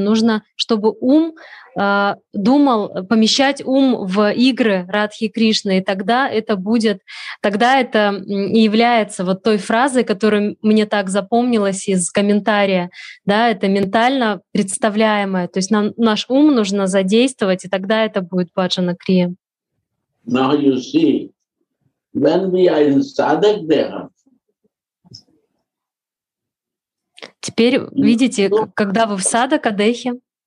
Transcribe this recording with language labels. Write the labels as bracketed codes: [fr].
[ru] Нужно, чтобы ум думал, помещать ум в игры Радхи Кришны, и тогда это будет, тогда это и является вот той фразой, которая мне так запомнилась из комментария, да, это ментально представляемое. То есть нам наш ум нужно задействовать, и тогда это будет баджана-крия. [en] Now you see, when we are in sadhak dehra, [ru] теперь видите, когда вы в садхака дехе.